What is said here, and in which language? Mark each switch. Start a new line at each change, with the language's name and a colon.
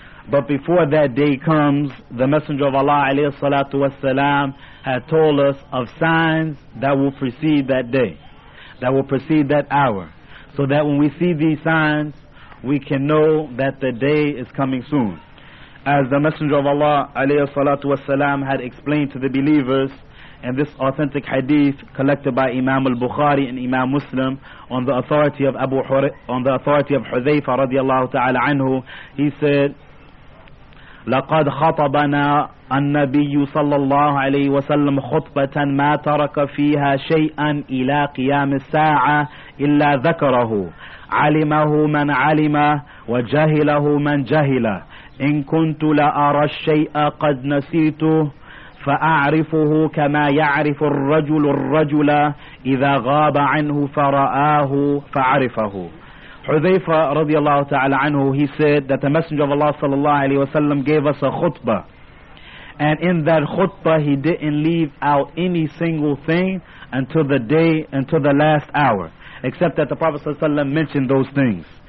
English: But before that day comes, the Messenger of Allah alayhi salatu wasalam had told us of signs that will precede that day, that will precede that hour, so that when we see these signs we can know that the day is coming soon. As the Messenger of Allah alayhi salatu wasalam had explained to the believers, and this authentic hadith collected by Imam al-Bukhari and Imam Muslim on the authority of Hudhayfa radiallahu ta'ala anhu, he said,
Arabic: لقد خطبنا النبي صلى الله عليه وسلم خطبة ما ترك فيها شيئا إلى قيام الساعة إلا ذكره علمه من علمه وجهله من جهله إن كنت لأرى الشيء قد نسيته فأعرفه كما يعرف الرجل الرجل إذا غاب عنه فرآه فعرفه.
English: Hudhayfa radiallahu ta'ala anhu, he said that the Messenger of Allah sallallahu alayhi wa sallam gave us a khutbah, and in that khutbah he didn't leave out any single thing until the day, until the last hour, except that the Prophet sallallahu alayhi wa sallam mentioned those things.